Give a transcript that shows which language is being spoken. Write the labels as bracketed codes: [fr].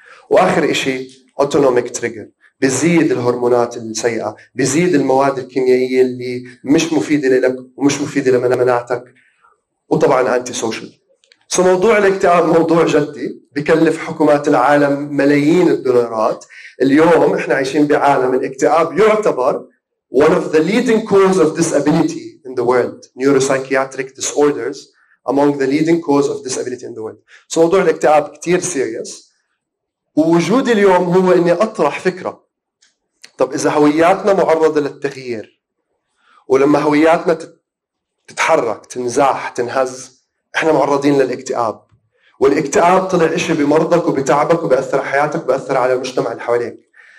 [ar] وآخر إشي [en] autonomic trigger، [ar] بزيد الهرمونات السيئة، بزيد المواد الكيميائية اللي مش مفيدة لك ومش مفيدة لمناعتك، وطبعاً أنتي سوشيال. سو موضوع الاكتئاب موضوع جدي بكلف حكومات العالم ملايين الدولارات. اليوم إحنا عايشين بعالم الاكتئاب يعتبر [en] one of the leading causes of disability in the world. Neuropsychiatric disorders among the leading causes of disability in the world. [ar] سو موضوع الاكتئاب كتير سيريس. ووجودي اليوم هو إني أطرح فكرة، طب إذا هوياتنا معرضة للتغيير ولما هوياتنا تتحرك تنزاح تنهز إحنا معرضين للاكتئاب، والاكتئاب طلع إشي بمرضك وبتعبك وبأثر على حياتك وبأثر على المجتمع اللي حواليك.